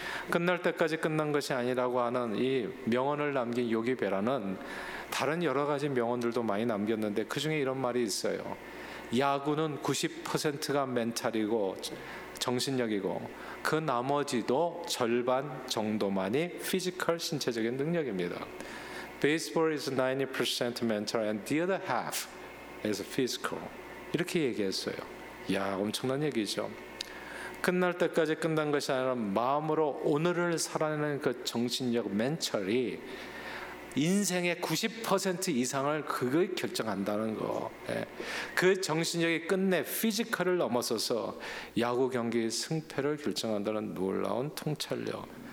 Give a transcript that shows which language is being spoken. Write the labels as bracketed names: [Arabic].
[Korean] 끝날 때까지 끝난 것이 아니라고 하는 이 명언을 남긴 요기 베라는 다른 여러 가지 명언들도 많이 남겼는데 그 중에 이런 말이 있어요. 야구는 90%가 멘탈이고 정신력이고 그 나머지도 절반 정도만이 피지컬 신체적인 능력입니다. [English] Baseball is 90% mental and the other half is physical. [Korean] 이렇게 얘기했어요. 야, 엄청난 얘기죠. 끝날 때까지 끝난 것이 아니라 마음으로 오늘을 살아내는 그 정신력, 멘탈이 인생의 90% 이상을 그거 결정한다는 거. 예. 그 정신력이 끝내 피지컬을 넘어서서 야구 경기의 승패를 결정한다는 놀라운 통찰력.